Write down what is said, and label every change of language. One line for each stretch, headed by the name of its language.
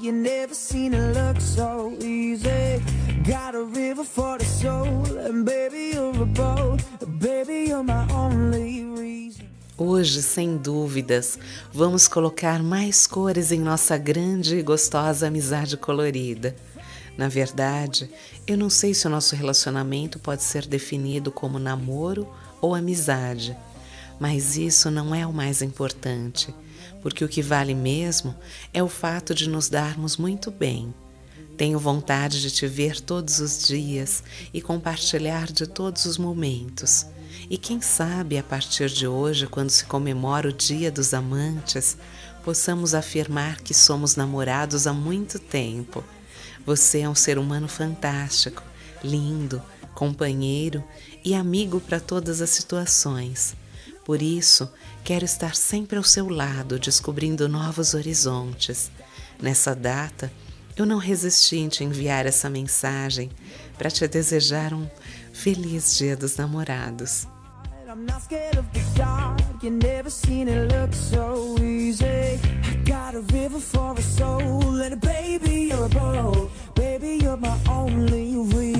English: You never seen it look so easy. Got a river for the soul. And baby, you're a boat. Baby, you're my only reason.
Portuguese: Hoje, sem dúvidas, vamos colocar mais cores em nossa grande e gostosa amizade colorida. Na verdade, eu não sei se o nosso relacionamento pode ser definido como namoro ou amizade, mas isso não é o mais importante, porque o que vale mesmo é o fato de nos darmos muito bem. Tenho vontade de te ver todos os dias e compartilhar de todos os momentos. E quem sabe, a partir de hoje, quando se comemora o Dia dos Amantes, possamos afirmar que somos namorados há muito tempo. Você é um ser humano fantástico, lindo, companheiro e amigo para todas as situações. Por isso, quero estar sempre ao seu lado, descobrindo novos horizontes. Nessa data, eu não resisti em te enviar essa mensagem para te desejar um feliz Dia dos Namorados.
English: I'm not scared of the dark. You never seen it look so easy. I got a river for a soul. And a baby, you're a boat. Baby, you're my only river.